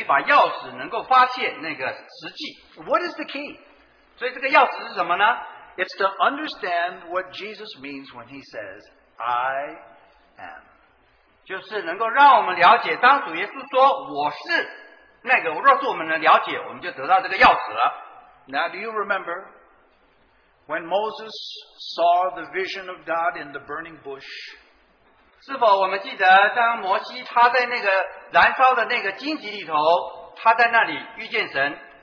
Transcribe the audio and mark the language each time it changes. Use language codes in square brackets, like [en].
[zh] 所以约翰福音就让我们实在有一把钥匙能够发现那个实际。 [en] What is the key? [zh] 所以这个钥匙是什么呢? [en] It's to understand what Jesus means when he says, I am. [zh] 就是能够让我们了解当主耶稣说我是那个若是我们能了解我们就得到这个钥匙了。 [en] Now do you remember? When Moses saw the vision of God in the burning bush, [zh] 是否我们记得当摩西他在那个燃烧的那个荆棘里头，他在那里遇见神？